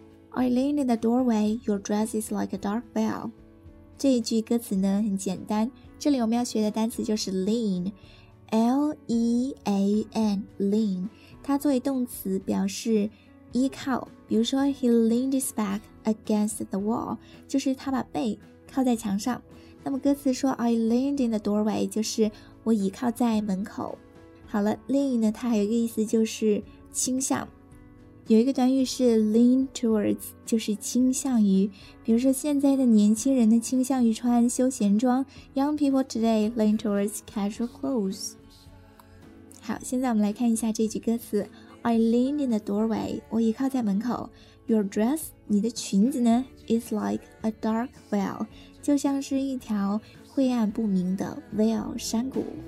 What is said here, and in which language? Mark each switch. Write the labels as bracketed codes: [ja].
[en] I lean in the doorway, your dress is like a dark veil. [zh] 这一句歌词呢很简单，这里我们要学的单词就是 lean, L-E-A-N, lean. 它作为动词表示依靠，比如说 [en] he leaned his back against the wall, [zh] 就是他把背靠在墙上。那么歌词说 [en] I leaned in the doorway, [zh] 就是我倚靠在门口。好了， lean 呢它还有一个意思就是倾向。有一个短语是 [en] lean towards, [zh] 就是倾向于。比如说现在的年轻人呢倾向于穿休闲装， [en] Young people today lean towards casual clothes. [zh] 好，现在我们来看一下这句歌词。 [en] I leaned in the doorway, [zh] 我倚靠在门口。 [en] Your dress, [zh] 你的裙子呢 [en] is like a dark veil, [zh] 就像是一条晦暗不明的 veil, 山谷。